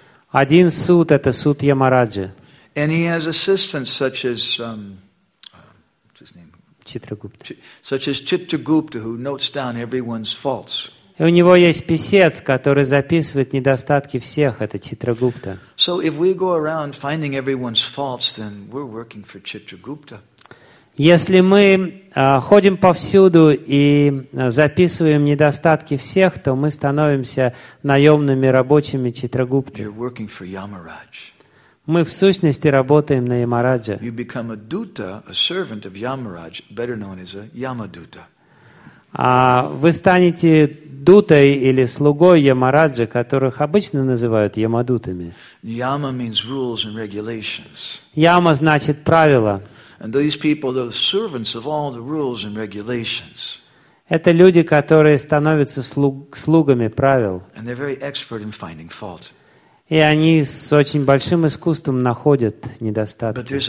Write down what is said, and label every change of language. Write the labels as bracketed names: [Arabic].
[Russian] Один суд — это суд Ямараджи. [English] And he has assistants such as Chitragupta, who notes down everyone's faults. [Russian] И у него есть писец, который записывает недостатки всех. Это Читрагупта. [English] So if we go around finding everyone's faults, then we're working for Chitragupta. [Russian] Если мы ходим повсюду и записываем недостатки всех, то мы становимся наемными рабочими Читрагупты. [English] You're working for Yamaraj. [Russian] Мы, в сущности, работаем на Ямараджа. [English] You become a duta, a servant of Yamaraj, better known as a Yamaduta. [Russian] Вы станете дутой или слугой Ямараджа, которых обычно называют Ямадутами. [English] Yama means rules and regulations. [Russian] Яма значит правила. [English] And these people are the servants of all the rules and regulations. [Russian] Это люди, которые становятся слугами правил. [English] And they're very expert in finding fault. [Russian] И они с очень большим искусством находят недостатки.